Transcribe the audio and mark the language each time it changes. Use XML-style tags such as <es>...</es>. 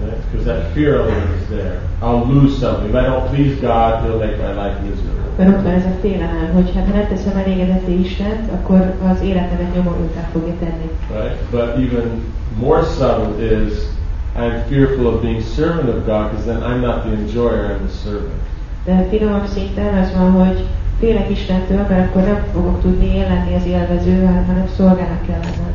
<en>Because that fear element is there. I'll lose something. If I don't please God, He'll make my life miserable.</en> <hu>Mert ott van ez a félelem, hogy ha nem teszem elégedetté Istent, akkor az életemet nyomorú után fogja tenni.</hu> <en>Right? But even more subtle is, I'm fearful of being servant of God, because then I'm not the enjoyer, I'm the servant.</en> <hu>De a finomabb szinten az van, hogy félek Istentől, mert akkor nem fogok tudni élni az élvező, hanem szolgának kell lennem.</hu>